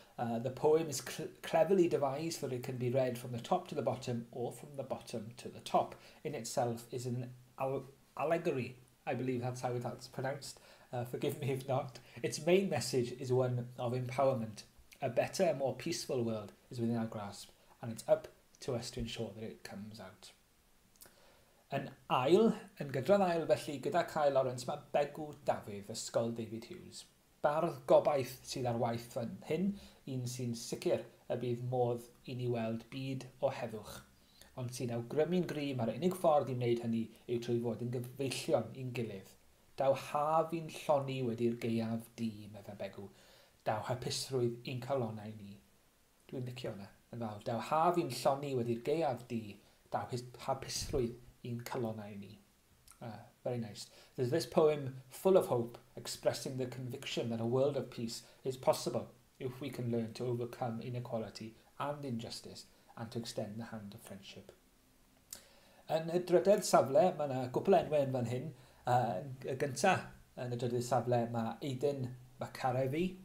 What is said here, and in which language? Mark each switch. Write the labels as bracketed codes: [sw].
[en] The poem is cleverly devised so that it can be read from the top to the bottom or from the bottom to the top. In itself is an allegory I believe that's how that's pronounced. Forgive me if not. Its main message is one of empowerment. A better, more peaceful world is within our grasp, and it's up to us to ensure that it comes out. [cy] An ail, yn gydran ail felly, gyda Cael Lawrence, mae Begw Dafydd, Ysgol David Hughes. Bardd gobaith sydd ar waith fan hyn, un sy'n sicr y bydd modd I ni weld byd o heddwch. Ond sy'n awgrymu'n gry, mae'r unig ffordd I wneud hynny yw trwy fod yn gyfeillion i'n gilydd. Daw haf i'n lloni wedi'r gaeaf di, meddwl Begw. Daw hapusrwydd i'n calonau ni. Dwi'n licio hwnna, yn fawr. Daw haf i'n lloni wedi'r gaeaf di, daw hapusrwydd in Kalonaini. [en] Very nice. There's this poem full of hope, expressing the conviction that a world of peace is possible if we can learn to overcome inequality and injustice and to extend the hand of friendship. [cy] Yn y drydedd safle, mae yna gwpl enwau yn fan hyn. Y gynta yn y drydedd safle, mae Aidan Macarevi.